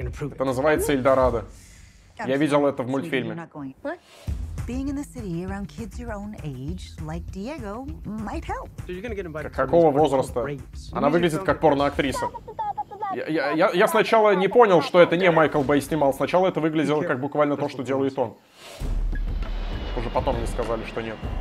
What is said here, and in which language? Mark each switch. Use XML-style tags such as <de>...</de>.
<ru>Это называется Эльдорадо. Я видел это в мультфильме.</ru> <en>Being in the city around kids your own age, like Diego, might help.</en> <ru>Какого возраста? Она выглядит как порноактриса. Я сначала не понял, что это не Майкл Бэй снимал. Сначала это выглядело как буквально то, что делает он. Уже потом мне сказали, что нет.</ru>